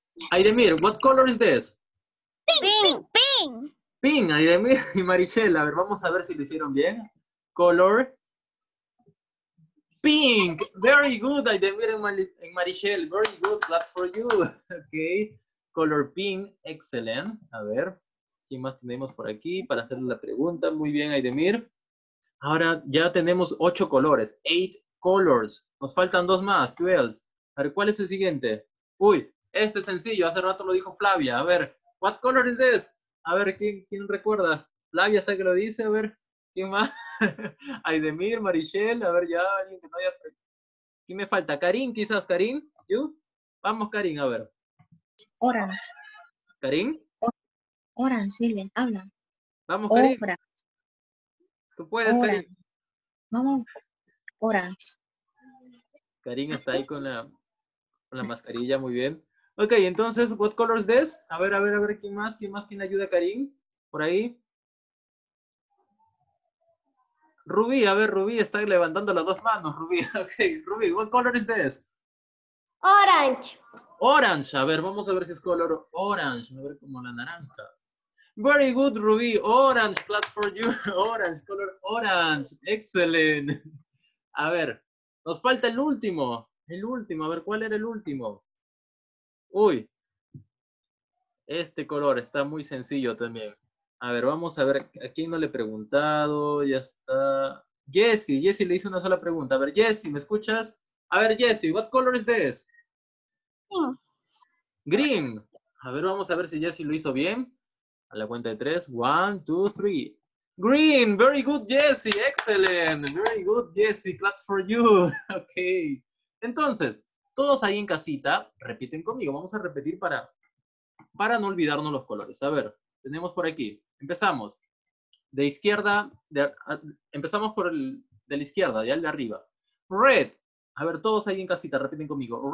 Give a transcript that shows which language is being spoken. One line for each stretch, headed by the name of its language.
English: Aidemir, what color is this? Pink.
Spanish: Pink, Aidemir y Marichelle, a ver, vamos a ver si lo hicieron bien. Color.
English: Pink, very good, Aidemir y Marichelle, very good, that's for you. Okay, color pink, excellent, a ver.
Spanish: ¿Qué más tenemos por aquí para hacerle la pregunta? Muy bien, Aidemir. Ahora ya tenemos 8 colores. 8 colors. Nos faltan 2 más. 12. A ver, ¿cuál es el siguiente? Uy, este es sencillo. Hace rato lo dijo Flavia. A ver,
English: what color is this?
Spanish: A ver, ¿quién recuerda? Flavia está que lo dice. A ver, ¿quién más? Aidemir, Marichelle. A ver, ya alguien que no haya... ¿Quién me falta? Karim, quizás. Karim, ¿you? Vamos, Karim, a ver. Horas. ¿Karim? Oran, Silvia, habla. Vamos, Karim. Obra. Tú puedes, Obra. Karim. Vamos. Oran. Karim está ahí con la mascarilla, muy bien.
English: Okay, entonces, what color is this?
Spanish: A ver, ¿quién más? ¿Quién ayuda a Karim? Por ahí. Rubí, a ver, Rubí está levantando las dos manos, Rubí.
English: Okay, Rubí, what color is this? Orange,
Spanish: a ver, vamos a ver si es color orange, a ver como la naranja.
English: Very good, Ruby. Orange, class for you. Orange, color orange.
Spanish: Excellent. A ver, nos falta el último. El último, a ver, ¿cuál era el último? Uy. Este color está muy sencillo también. A ver, vamos a ver, ¿a quién no le he preguntado? Ya está. Jessie le hizo una sola pregunta. A ver, Jessie, ¿me escuchas?
English: A ver, Jessie, what color is this? Green.
Spanish: A ver, vamos a ver si Jessie lo hizo bien. A la cuenta de 3, 1, 2, 3.
English: Green, very good, Jessie, excellent. Very good, Jessie, claps for you. Ok.
Spanish: Entonces, todos ahí en casita, repiten conmigo. Vamos a repetir para no olvidarnos los colores. A ver, tenemos por aquí. Empezamos. De izquierda, empezamos por el de la izquierda, ya el de arriba. Red. A ver, todos ahí en casita, repiten conmigo.